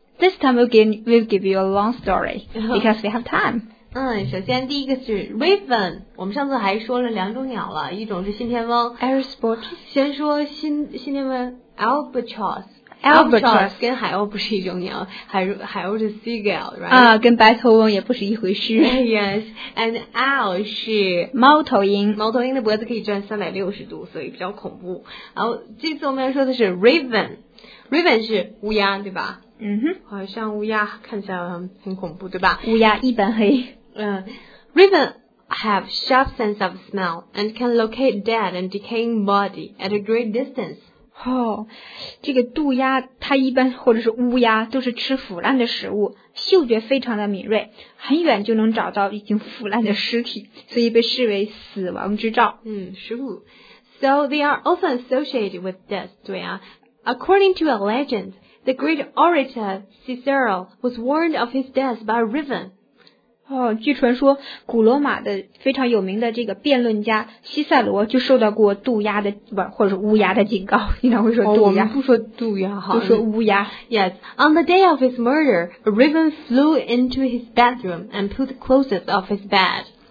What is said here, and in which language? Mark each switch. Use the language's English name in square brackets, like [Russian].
[English] This time we'll give you a long story, because we have time. [Chinese] 嗯，首先第一个是 Raven, 我们上次还说了两种鸟了，一种是信天翁。 [English] Albatross. [Chinese] 先说信天翁 Albatross. [English] Albatross [Chinese] 跟海鸥不是一种鸟，海鸥是 seagull, [English] right? [Chinese] 啊，跟白头翁也不是一回事。 [English] Yes, and owl [Chinese] 是猫头鹰，猫头鹰的脖子可以转360度，所以比较恐怖。然后这次我们要说的是 raven, raven 是乌鸦，对吧？嗯哼，好像乌鸦看起来很恐怖，对吧？乌鸦一般黑。 [English] Raven have sharp sense of smell and can locate dead and decaying body at a great distance. [Chinese] 哦，这个渡鸦它一般或者是乌鸦都是吃腐烂的食物，嗅觉非常的敏锐，很远就能找到已经腐烂的尸体，所以被视为死亡之兆。嗯，食物。 [English] So they are often associated with death, [Chinese] 对啊。 [English] According to a legend, the great orator Cicero was warned of his death by a raven. [Chinese] 哦，据传说古罗马的非常有名的这个辩论家西塞罗就受到过渡鸦的不或者是乌鸦的警告，经常会说渡鸦、哦、我们不说渡鸦哈，就说乌鸦。 [English] Yes, on the day of his murder, a raven flew into his bedroom and pulled the clothes off his bed.